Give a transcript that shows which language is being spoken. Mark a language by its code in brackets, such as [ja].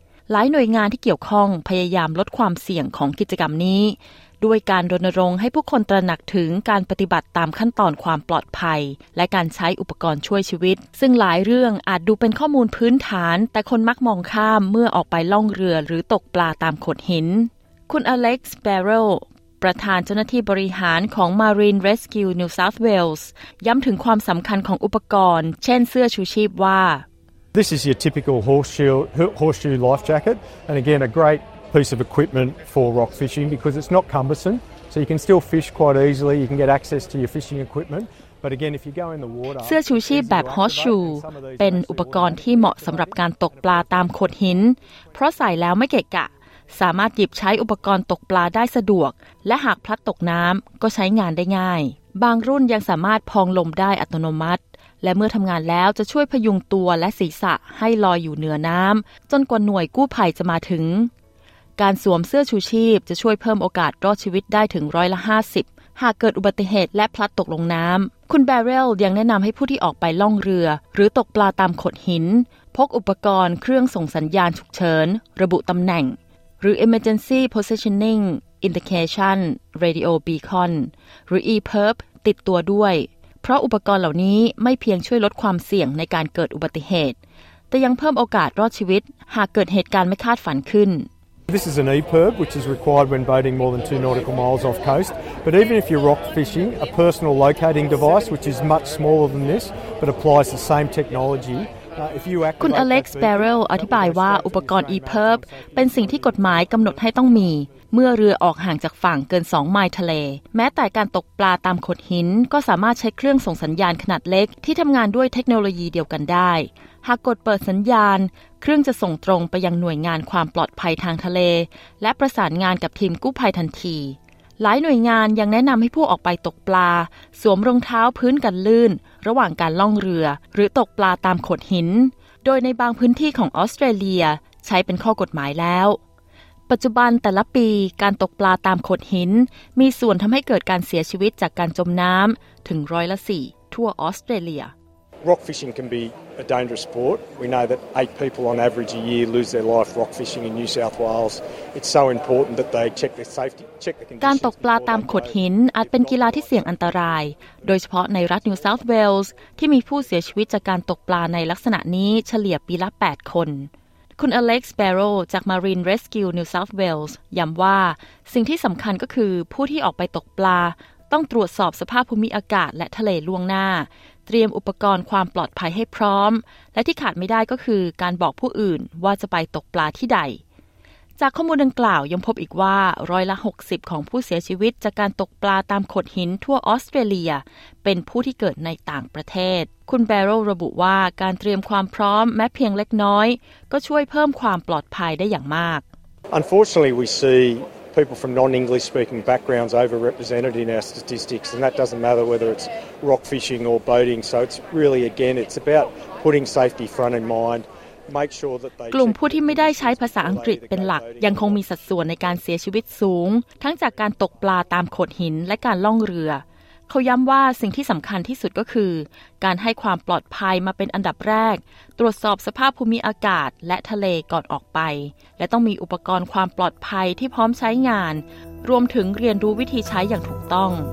[th] หลายหน่วยงานที่เกี่ยวข้องพยายามลดความเสี่ยงของกิจกรรมนี้ด้วยการรณรงค์ให้ผู้คนตระหนักถึงการปฏิบัติตามขั้นตอนความปลอดภัยและการใช้อุปกรณ์ช่วยชีวิตซึ่งหลายเรื่องอาจดูเป็นข้อมูลพื้นฐานแต่คนมักมองข้ามเมื่อออกไปล่องเรือหรือตกปลาตามโขดหินคุณอเล็กซ์เบรโรประธานเจ้าหน้าที่บริหารของ Marine Rescue New South Wales ย้ำถึงความสำคัญของอุปกรณ์เช่นเสื้อชูชีพว่า [en] This is your typical horseshoe life jacket and again a great piece of equipment for rock fishing because it's not cumbersome So you can still fish quite easily. You can get access to your fishing equipment. But again, if you go in the water, [th] เสื้อชูชีพแบบ horseshoe เป็นอุปกรณ์ที่เหมาะสำหรับการตกปลาตามโขดหินเพราะใส่แล้วไม่เกะกะสามารถหยิบใช้อุปกรณ์ตกปลาได้สะดวกและหากพลัดตกน้ำก็ใช้งานได้ง่ายบางรุ่นยังสามารถพองลมได้อัตโนมัติและเมื่อทำงานแล้วจะช่วยพยุงตัวและศีรษะให้ลอยอยู่เหนือน้ำจนกว่าหน่วยกู้ภัยจะมาถึงการสวมเสื้อชูชีพจะช่วยเพิ่มโอกาสรอดชีวิตได้ถึง50% หากเกิดอุบัติเหตุและพลัดตกลงน้ำคุณแบร์เรลยังแนะนำให้ผู้ที่ออกไปล่องเรือหรือตกปลาตามโขดหินพกอุปกรณ์เครื่องส่งสัญญาณฉุกเฉินระบุตำแหน่งหรือ Emergency Positioning Indication Radio Beacon หรือ E-Perp ติดตัวด้วยเพราะอุปกรณ์เหล่านี้ไม่เพียงช่วยลดความเสี่ยงในการเกิดอุบัติเหตุแต่ยังเพิ่มโอกาสรอดชีวิตหากเกิดเหตุการณ์ไม่คาดฝันขึ้น [en] This is an E-Perp which is required when boating more than 2 nautical miles off coast but even if you're rock fishing a personal locating device which is much smaller than this but applies the same technology [th] คุณอเล็กซ์เบรลอธิบายว่าอุปกรณ์ E-Perp เป็นสิ่งที่กฎหมายกำหนดให้ต้องมีเมื่อเรือออกห่างจากฝั่งเกิน2ไมล์ทะเลแม้แต่การตกปลาตามโขดหินก็สามารถใช้เครื่องส่งสัญญาณขนาดเล็กที่ทำงานด้วยเทคโนโลยีเดียวกันได้หากกดเปิดสัญญาณเครื่องจะส่งตรงไปยังหน่วยงานความปลอดภัยทางทะเลและประสานงานกับทีมกู้ภัยทันที หลายหน่วยงานยังแนะนำให้ผู้ออกไปตกปลาสวมรองเท้าพื้นกันลื่นระหว่างการล่องเรือหรือตกปลาตามโขดหินโดยในบางพื้นที่ของออสเตรเลียใช้เป็นข้อกฎหมายแล้วปัจจุบันแต่ละปีการตกปลาตามโขดหินมีส่วนทำให้เกิดการเสียชีวิตจากการจมน้ำถึง4%ทั่วออสเตรเลีย [en] Rock fishing can be a dangerous sport. We know that 8 people on average a year lose their life rock fishing in New South Wales. It's so important that they check their safety, check the conditions. [th] การตกปลาตามโขดหินอาจเป็นกีฬาที่เสี่ยงอันตรายโดยเฉพาะในรัฐ New South Wales ที่มีผู้เสียชีวิตจากการตกปลาในลักษณะนี้เฉลี่ยปีละ8คนคุณอเล็กซ์เบโรจาก Marine Rescue New South Wales ย้ำว่าสิ่งที่สำคัญก็คือผู้ที่ออกไปตกปลาต้องตรวจสอบสภาพภูมิอากาศและทะเลล่วงหน้าเตรียมอุปกรณ์ความปลอดภัยให้พร้อมและที่ขาดไม่ได้ก็คือการบอกผู้อื่นว่าจะไปตกปลาที่ใด จากข้อมูลดังกล่าวยังพบอีกว่า60%ของผู้เสียชีวิตจากการตกปลาตามโขดหินทั่วออสเตรเลียเป็นผู้ที่เกิดในต่างประเทศคุณแบร์โรระบุว่าการเตรียมความพร้อมแม้เพียงเล็กน้อยก็ช่วยเพิ่มความปลอดภัยได้อย่างมาก [en] Unfortunately we seePeople from non-English speaking backgrounds overrepresented in our statistics and that doesn't matter whether it's rock fishing or boating so it's really again it's about putting safety front in mind make sure that they [th] กลุ่มผู้ที่ไม่ได้ใช้ภาษาอังกฤษเป็นหลักยังคงมีสัดส่วนในการเสียชีวิตสูงทั้งจากการตกปลาตามโขดหินและการล่องเรือเขาย้ำว่าสิ่งที่สำคัญที่สุดก็คือการให้ความปลอดภัยมาเป็นอันดับแรกตรวจสอบสภาพภูมิอากาศและทะเลก่อนออกไปและต้องมีอุปกรณ์ความปลอดภัยที่พร้อมใช้งานรวมถึงเรียนรู้วิธีใช้อย่างถูกต้อง